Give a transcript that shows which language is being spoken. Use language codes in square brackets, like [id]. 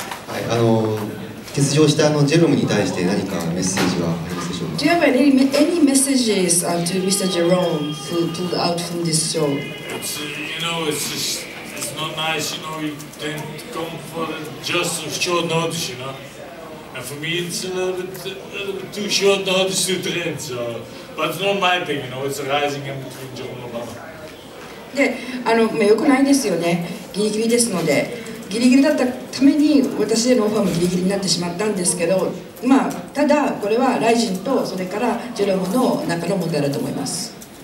[ja] はい、欠場したジェロムに対して何かメッセージはありますでしょうか? [en] Do you have any messages to Mr. Jerome who pulled out from this show? It's, you know, it's not nice, you know, you didn't come for just a short notice, you know. And for me it's a little bit too short notice to train, so. But it's not my thing, you know, it's a Rising in between Jerome and Obama. [ja] で、良くないですよね、ギリギリですので。ギリギリだったために私へのオファーもギリギリになってしまったんですけど、まあただこれはライジンとそれからジェロムの中の問題だと思います。